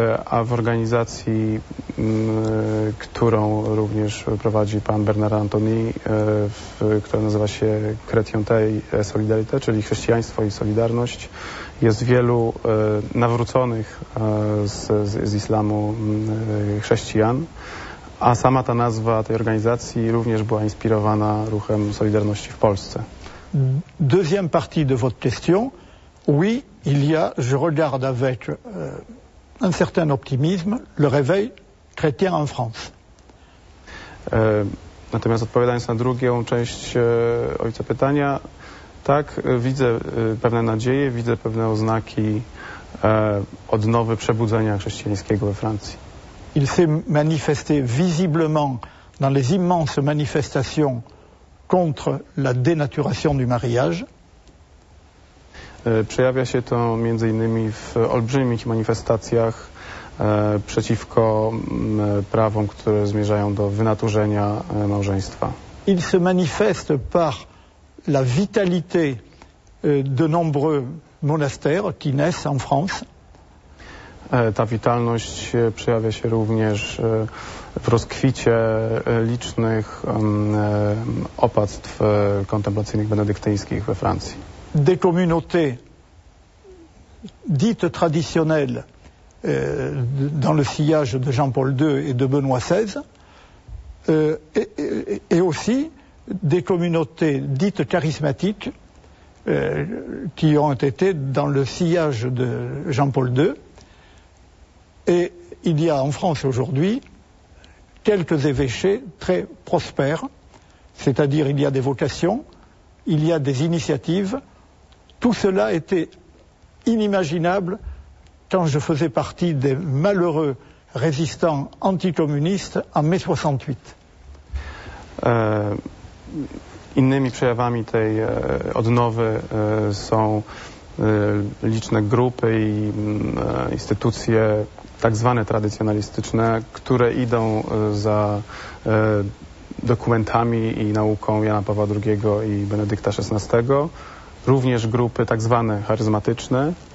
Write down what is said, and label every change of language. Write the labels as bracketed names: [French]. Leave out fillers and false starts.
[Polish] A w organizacji, którą również prowadzi pan Bernard Anthony, która nazywa się Chrétienté Solidarité, czyli Chrześcijaństwo i Solidarność, jest wielu nawróconych z islamu chrześcijan, a sama ta nazwa tej organizacji również była inspirowana ruchem Solidarności w Polsce. [French] Deuxième partie de votre question. Oui, il y a, je regarde avec un certain optimisme, le réveil chrétien en France. [Polish] Natomiast odpowiadając na drugą część ojca pytania, tak, widzę pewne nadzieje, widzę pewne oznaki odnowy przebudzenia chrześcijańskiego we Francji. [French] Il s'est manifesté visiblement dans les immenses manifestations contre la dénaturation du mariage. [Polish] Przejawia się to między innymi w olbrzymich manifestacjach przeciwko prawom, które zmierzają do wynaturzenia małżeństwa. [French] Il se manifeste par la vitalité de nombreux monastères qui naissent en France. [Polish] Ta witalność przejawia się również w rozkwicie licznych opactw kontemplacyjnych benedyktyńskich we Francji. [French] Des communautés dites traditionnelles dans le sillage de Jean-Paul II et de Benoît XVI, et aussi des communautés dites charismatiques qui ont été dans le sillage de Jean-Paul II. Et il y a en France aujourd'hui quelques évêchés très prospères, c'est-à-dire il y a des vocations, il y a des initiatives. Tout cela était inimaginable quand je faisais partie des malheureux résistants anticommunistes en mai 68. [Polish] Innymi przejawami tej odnowy są liczne grupy i instytucje tak zwane tradycjonalistyczne, które idą za dokumentami i nauką Jana Pawła II i Benedykta XVI, również grupy tak zwane charyzmatyczne.